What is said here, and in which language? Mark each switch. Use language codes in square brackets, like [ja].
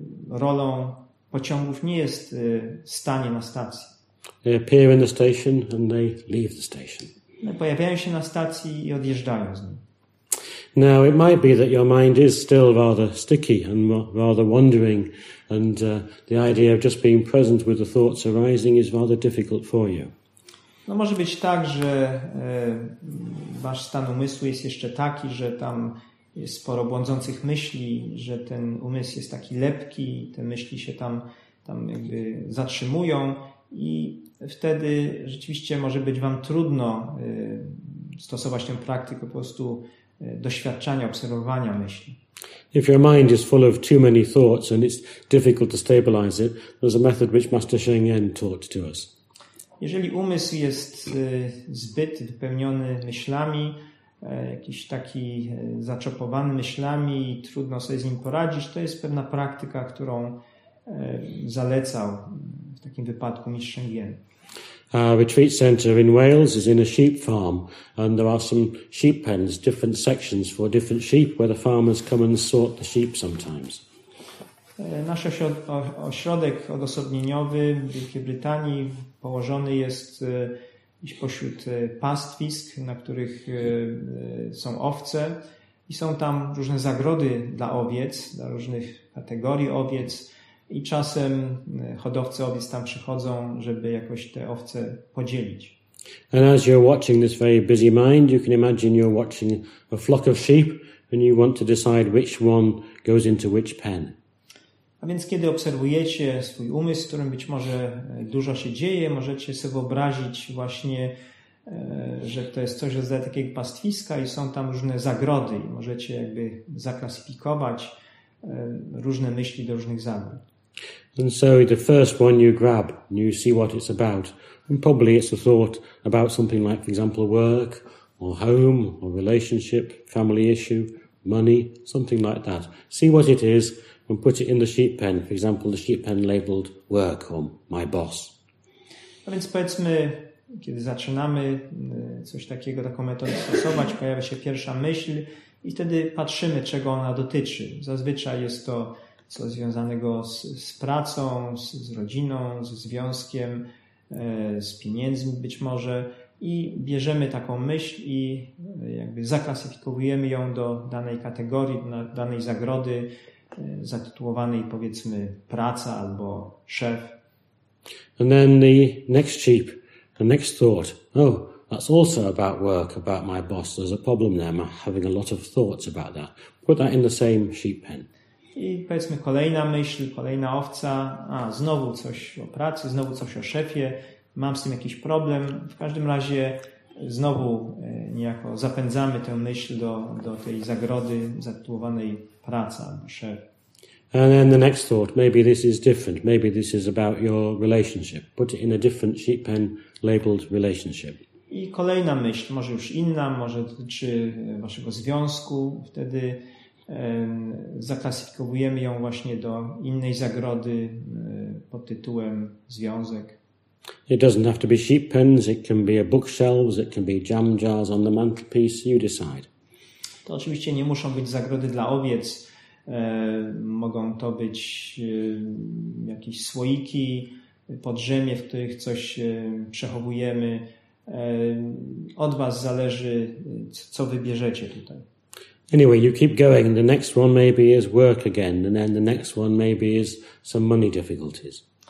[pl] Rolą pociągów nie jest stanie na stacji. [en] They appear in the station and they leave the station. [pl] Pojawiają się na stacji i odjeżdżają z niej. [en] Now it might be that your mind is still rather sticky and rather wandering, and the idea of just being present with the thoughts arising is rather difficult for you. [pl] No może być tak, że wasz stan umysłu jest jeszcze taki, że tam jest sporo błądzących myśli, że ten umysł jest taki lepki, te myśli się tam jakby zatrzymują. I wtedy rzeczywiście może być wam trudno stosować tę praktykę po prostu doświadczania, obserwowania myśli. [en] If your mind is full of too many thoughts and it's difficult to stabilize it, there's a method which Master Sheng Yen taught to us. [pl] Jeżeli umysł jest zbyt wypełniony myślami, jakiś taki zaczopowany myślami i trudno sobie z nim poradzić, to jest pewna praktyka, którą zalecał w takim wypadku Mistrz Sheng Yen. [en] A retreat center in Wales is in a sheep farm, and there are some sheep pens, different sections for different sheep, where the farmers come and sort the sheep sometimes. [pl] Nasz ośrodek odosobnieniowy w Wielkiej Brytanii położony jest pośród pastwisk, na których są owce i są tam różne zagrody dla owiec, dla różnych kategorii owiec. I czasem hodowcy owiec tam przychodzą, żeby jakoś te owce podzielić. [en] And as you're watching this very busy mind, you can imagine you're watching a flock of sheep and you want to decide which one goes into which pen. [pl] A więc kiedy obserwujecie swój umysł, w którym być może dużo się dzieje, możecie sobie wyobrazić właśnie, że to jest coś rodzaju takiego pastwiska i są tam różne zagrody i możecie jakby zaklasyfikować różne myśli do różnych zagrod. [en] And so the first one you grab, you see what it's about. And probably it's a thought about something like, for example, work, or home, or relationship, family issue, money, something like that. See what it is and put it in the sheep pen. For example, the sheep pen labeled work or my boss. [pl] A więc powiedzmy, kiedy zaczynamy coś takiego, taką metodę stosować, pojawia się pierwsza myśl, i wtedy patrzymy, czego ona dotyczy. Zazwyczaj jest to coś związanego z pracą, z rodziną, ze związkiem, z pieniędzmi być może. I bierzemy taką myśl i jakby zaklasyfikujemy ją do danej kategorii, do danej zagrody zatytułowanej powiedzmy praca albo szef. [en] And then the next sheep, the next thought, oh, that's also about work, about my boss. There's a problem there. I'm having a lot of thoughts about that. Put that in the same sheep pen. [pl] I powiedzmy kolejna myśl, kolejna owca. A, znowu coś o pracy, znowu coś o szefie. Mam z tym jakiś problem. W każdym razie znowu niejako zapędzamy tę myśl do tej zagrody zatytułowanej praca. [en] And then the next thought, maybe this is different. Maybe this is about your relationship. Put it in a different sheep pen labeled relationship. [pl] I kolejna myśl, może już inna, może dotyczy waszego związku. Wtedy zaklasyfikowujemy ją właśnie do innej zagrody pod tytułem związek. [en] It doesn't have to be sheep pens, it can be a bookshelves, it can be jam jars on the mantelpiece, you decide. [pl] To oczywiście nie muszą być zagrody dla owiec. Mogą to być jakieś słoiki, podrzemie, w których coś przechowujemy. Od was zależy, co wybierzecie tutaj. [en] Anyway, you keep going. The next one maybe is work again, and then the next one maybe is some money difficulties.